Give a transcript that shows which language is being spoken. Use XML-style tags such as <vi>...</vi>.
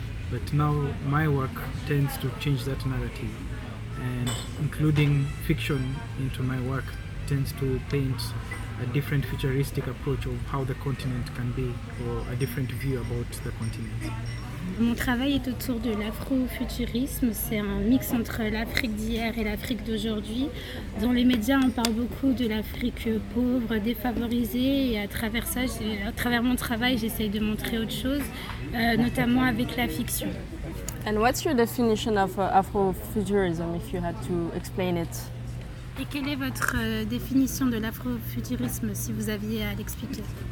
<en>But now my work tends to change that narrative, and including fiction into my work tends to paint a different futuristic approach of how the continent can be, or a different view about the continent.</en> <fr>Mon travail est autour de l'afrofuturisme. C'est un mix entre l'Afrique d'hier et l'Afrique d'aujourd'hui. Dans les médias, on parle beaucoup de l'Afrique pauvre, défavorisée. Et à travers ça, à travers mon travail, j'essaye de montrer autre chose, notamment avec la fiction.</fr> <en>And what's your definition of Afrofuturism, if you had to explain it?</en> <fr>Et quelle est votre définition de l'afrofuturisme, si vous aviez à l'expliquer?</fr>